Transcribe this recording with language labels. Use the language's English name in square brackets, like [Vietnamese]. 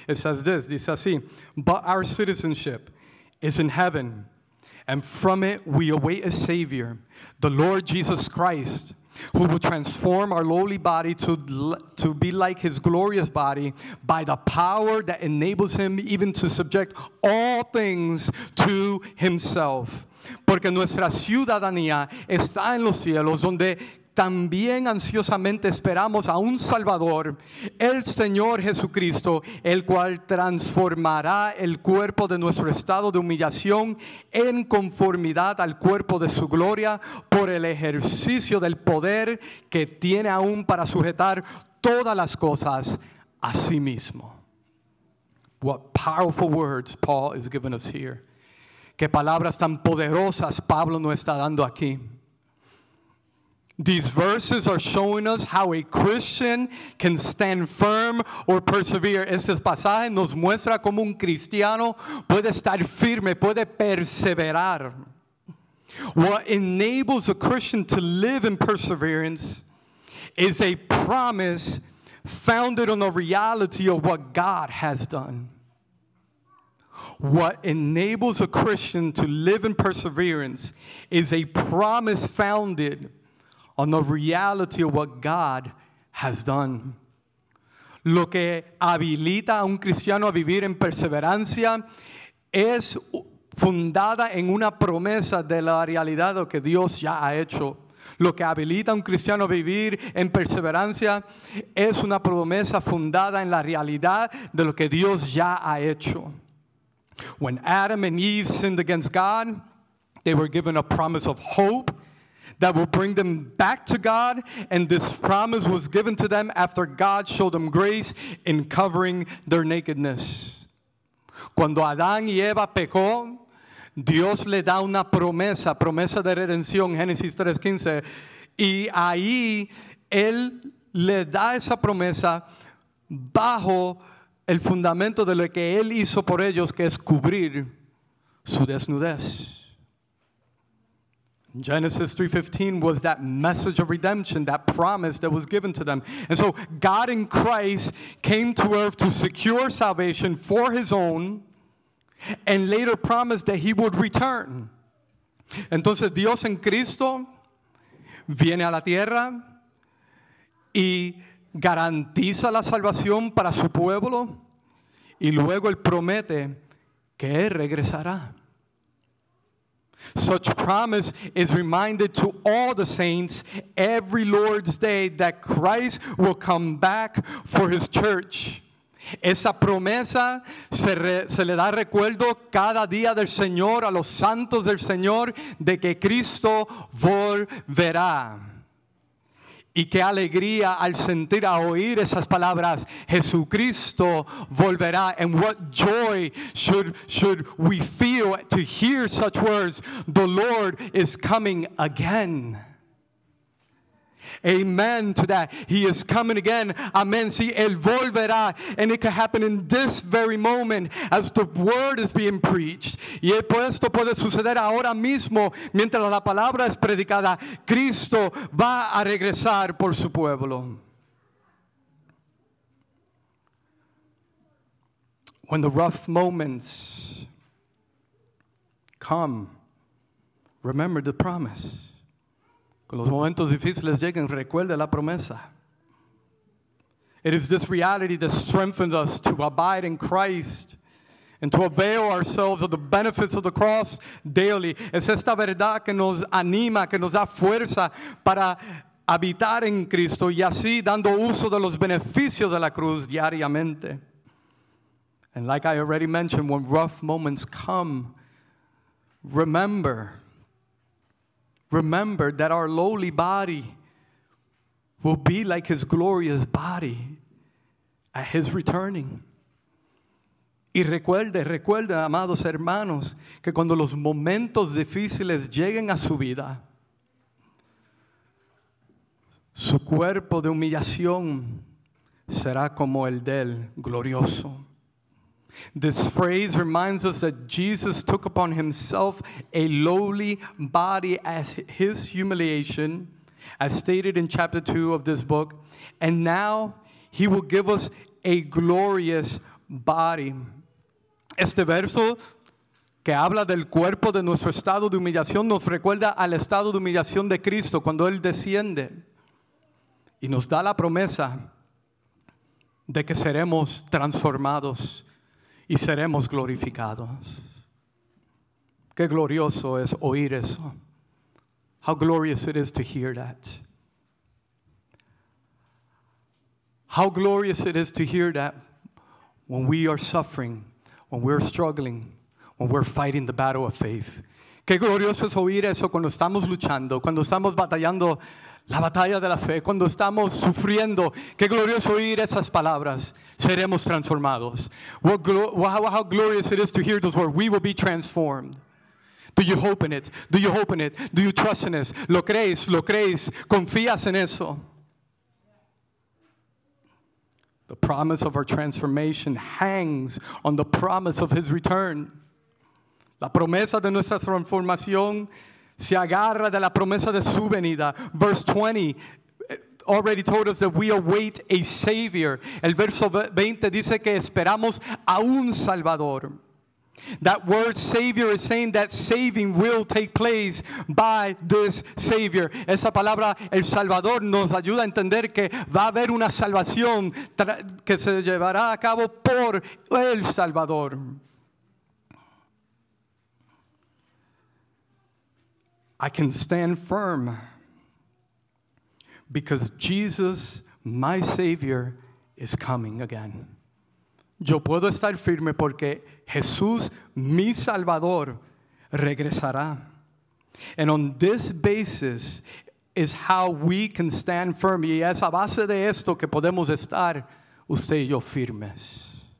[English] It says this, [Spanish] dice así, [English] but our citizenship is in heaven, and from it we await a Savior, the Lord Jesus Christ, who will transform our lowly body to be like his glorious body by the power that enables him even to subject all things to himself. [Spanish] Porque nuestra ciudadanía está en los cielos, donde también ansiosamente esperamos a un Salvador, el Señor Jesucristo, el cual transformará el cuerpo de nuestro estado de humillación en conformidad al cuerpo de su gloria por el ejercicio del poder que tiene aún para sujetar todas las cosas a sí mismo. [English] What powerful words Paul is giving us here. [Spanish] Qué palabras tan poderosas Pablo nos está dando aquí. [English] These verses are showing us how a Christian can stand firm or persevere. [Spanish] Este pasaje nos muestra cómo un cristiano puede estar firme, puede perseverar. [English] What enables a Christian to live in perseverance is a promise founded on the reality of what God has done. What enables a Christian to live in perseverance is a promise founded on the reality of what God has done. [Spanish] Lo que habilita a un cristiano a vivir en perseverancia es fundada en una promesa de la realidad de lo que Dios ya ha hecho. Lo que habilita a un cristiano a vivir en perseverancia es una promesa fundada en la realidad de lo que Dios ya ha hecho. [English] When Adam and Eve sinned against God, they were given a promise of hope that will bring them back to God, and this promise was given to them after God showed them grace in covering their nakedness. [Spanish] Cuando Adán y Eva pecó, Dios le da una promesa, promesa de redención, Génesis 3:15. Y ahí, Él le da esa promesa bajo el fundamento de lo que Él hizo por ellos, que es cubrir su desnudez. [English] Genesis 3:15 was that message of redemption, that promise that was given to them. And so God in Christ came to earth to secure salvation for his own and later promised that he would return. [Spanish] Entonces Dios en Cristo viene a la tierra y garantiza la salvación para su pueblo y luego él promete que él regresará. [English] Such promise is reminded to all the saints every Lord's Day that Christ will come back for his church. [Spanish] Esa promesa se le da recuerdo cada día del Señor a los santos del Señor de que Cristo volverá. Y qué alegría al sentir, a oír esas palabras, Jesucristo volverá. [English] And what joy should we feel to hear such words, the Lord is coming again. Amen to that. He is coming again. Amen. [Spanish] Sí, él volverá. [English] And it could happen in this very moment as the word is being preached. [Spanish] Y esto puede suceder ahora mismo mientras la palabra es predicada. Cristo va a regresar por su pueblo. [English] When the rough moments come, remember the promise. [Spanish] Los momentos difíciles lleguen, recuerde la promesa. [English] It is this reality that strengthens us to abide in Christ and to avail ourselves of the benefits of the cross daily. [Spanish] Es esta verdad que nos anima, que nos da fuerza para habitar en Cristo y así dando uso de los beneficios de la cruz diariamente. [English] And like I already mentioned, when rough moments come, remember that our lowly body will be like his glorious body at his returning. [Spanish] Y recuerde, amados hermanos, que cuando los momentos difíciles lleguen a su vida, su cuerpo de humillación será como el del glorioso. [English] This phrase reminds us that Jesus took upon himself a lowly body as his humiliation, as stated in chapter 2 of this book, and now he will give us a glorious body. [Spanish] Este verso que habla del cuerpo de nuestro estado de humillación nos recuerda al estado de humillación de Cristo cuando él desciende y nos da la promesa de que seremos transformados y seremos glorificados. Qué glorioso es oír eso. [English] How glorious it is to hear that. How glorious it is to hear that when we are suffering, when we are struggling, when we're fighting the battle of faith. [Spanish] Qué glorioso es oír eso cuando estamos luchando, cuando estamos batallando la batalla de la fe, cuando estamos sufriendo. Qué glorioso oír esas palabras. Seremos transformados. [English] How glorious it is to hear those words. We will be transformed. Do you hope in it? Do you hope in it? Do you trust in it? [Spanish] ¿Lo crees? ¿Lo crees? ¿Confías en eso? [English] The promise of our transformation hangs on the promise of his return. [Spanish] La promesa de nuestra transformación se agarra de la promesa de su venida. [English] Verse 20 already told us that we await a Savior. [Spanish] El verso 20 dice que esperamos a un Salvador. [English] That word Savior is saying that saving will take place by this Savior. [Spanish] Esa palabra, el Salvador, nos ayuda a entender que va a haber una salvación que se llevará a cabo por el Salvador. [English] I can stand firm because Jesus, my Savior, is coming again. [Spanish] Yo puedo estar firme porque Jesús, mi Salvador, regresará. [English] And on this basis is how we can stand firm. [Spanish] Y es a base de esto que podemos estar usted y yo firmes.